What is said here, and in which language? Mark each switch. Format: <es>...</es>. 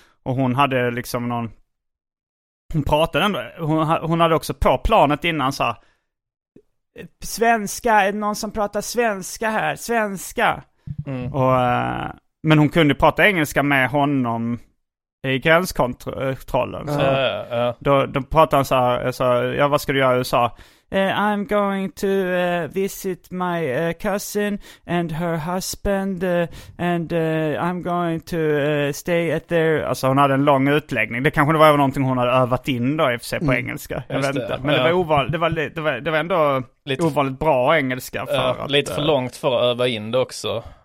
<sv>Och hon hade liksom någon, hon pratade ändå, hon hade också på planet innan sa, svenska, är det någon som pratar svenska här? Svenska. Mm. Och, men hon kunde prata engelska med honom i gränskontrollen. Så då pratade han så här, så, ja, vad ska du göra i USA?</sv> <en>I'm going to visit my cousin and her husband and I'm going to stay at their...</en> <sv>Alltså hon hade en lång utläggning. Det kanske var någonting hon hade övat in då i sig på engelska. Jag vet inte. Men det var ovanligt. Det var ändå lite, ovanligt bra engelska. Lite för långt för att öva in det också.</sv>